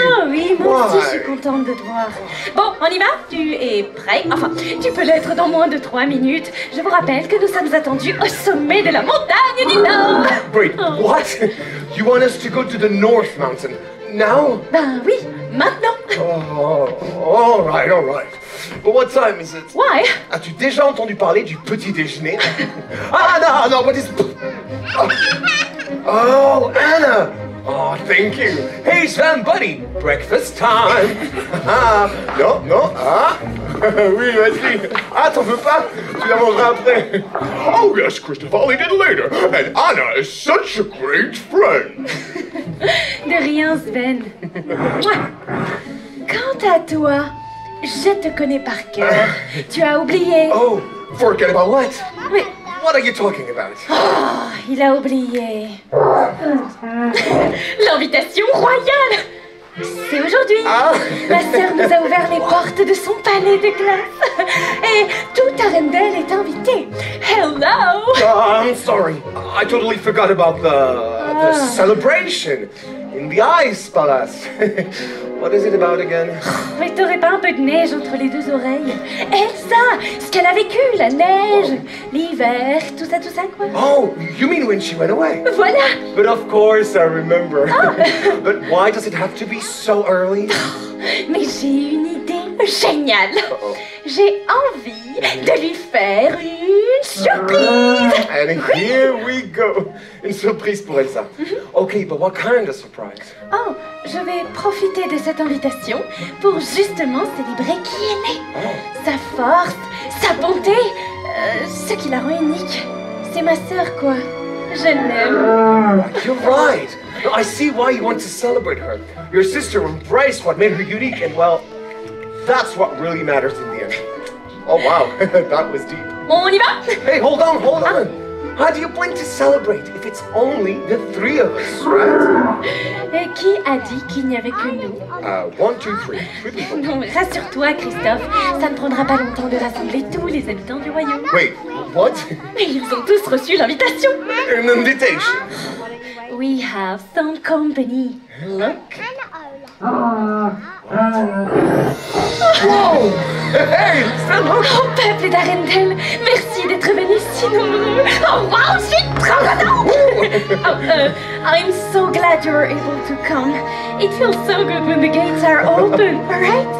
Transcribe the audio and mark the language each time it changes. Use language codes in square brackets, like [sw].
[fr] Oh oui, moi aussi, je suis contente de te voir. Bon, on y va? Tu es prêt? Enfin, tu peux l'être dans moins de 3 minutes. Je vous rappelle que nous sommes attendus au sommet de la montagne du Nord! [en] Wait, what? You want us to go to the North Mountain? Now? [fr] Ben oui, maintenant! [en] Oh, alright, alright. But what time is it? Why? [fr] As-tu déjà entendu parler du petit déjeuner? [en] Ah, no, no, but it's... Oh, Anna! Oh, thank you. Hey, Sven, buddy, breakfast time. [fr] No, no, ah? Oui, vas-y. Ah, t'en veux pas? Tu la mangeras après. [en] Oh, yes, Christopher, I'll eat it later. And Anna is such a great friend. [fr] De rien, Sven. Quant à toi... Je te connais par cœur. Tu as oublié. [en] Oh, forget about what? [fr] Mais... [en] What are you talking about? [fr] Oh, il a oublié. L'invitation royale! C'est aujourd'hui. Ah. Ma sœur nous a ouvert les portes de son palais de glace. Et toute Arendelle est invitée. Hello! [en] I'm sorry. I totally forgot about the celebration in the Ice Palace. What is it about again? [fr] Mais t'aurais pas un peu de neige entre les deux oreilles? Elsa, ce qu'elle a vécu, la neige, l'hiver, tout ça quoi? [en] Oh, you mean when she went away? [fr] Voilà! [en] But of course I remember. But why does it have to be so early? [fr] Mais j'ai une idée géniale! J'ai envie de lui faire une surprise! [en] And here we go! [fr] Une surprise pour Elsa. [en] Ok, but what kind of surprise? [fr] Oh, je vais profiter de cette invitation pour justement célébrer qui elle est. Sa force, sa bonté, ce qui la rend unique. C'est ma sœur, quoi. Je l'aime. [en] You're right! I see why you want to celebrate her. Your sister embraced what made her unique and, well, that's what really matters in the end. Oh, wow, that was deep. [fr] On y va? [en] Hey, hold on, hold on. How do you plan to celebrate if it's only the three of us, right? [fr] Et qui a dit qu'il n'y avait que nous? [en] One, two, three. Three [fr] non, rassure-toi, Christophe. Ça ne prendra pas longtemps de rassembler tous les habitants du royaume. [en] Wait, what? [fr] Mais ils ont tous reçu l'invitation. [en] An invitation? We have some company. Look. Hey, [fr] oh, peuple d'Arendelle, merci d'être venu si nombreux. Oh, wow, je suis trop contente. [en] I'm so glad you were able to come. It feels so good when the gates are open, right?